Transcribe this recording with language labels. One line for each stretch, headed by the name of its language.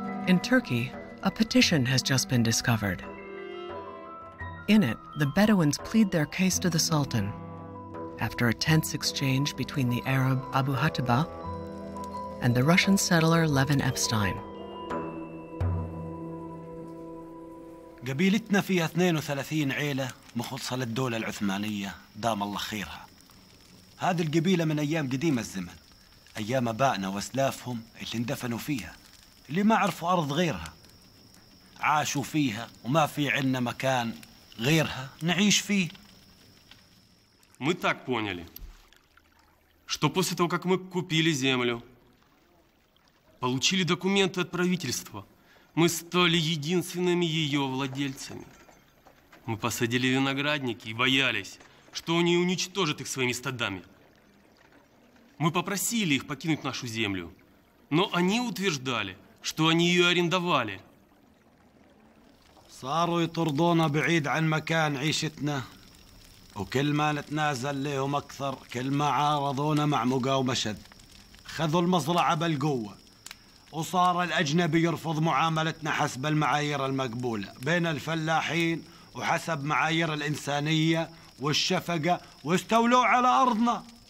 English: In Turkey, a petition has just been discovered. In it, the Bedouins plead their case to the Sultan. After a tense exchange between the Arab Abu Hatiba and the Russian settler Levin Epstein.
Arabic: قبيلتنا فيها 32 عيلة مخلصة للدولة العثمانية دام الله خيرها. هذه القبيلة من أيام قديم الزمن. أيام أبائنا وأسلافهم اللي اندفنوا فيها. اللي ما عرفوا أرض غيرها. عاشوا فيها وما في عنا مكان غيرها نعيش فيه.
Russian: Мы так поняли, что после того, как мы купили землю, получили документы от правительства, мы стали единственными ее владельцами. Мы посадили виноградники и боялись, что они уничтожат их своими стадами. Мы попросили их покинуть нашу землю, но они утверждали, что они ее арендовали.
Arabic: صاروا يطردونا بعيد عن مكان عيشتنا وكل ما نتنازل لهم أكثر كل ما عارضونا مع مقاومة شد خذوا المزرعة بالقوة وصار الأجنبي يرفض معاملتنا حسب المعايير المقبولة بين الفلاحين وحسب معايير الإنسانية والشفقة واستولوا على أرضنا.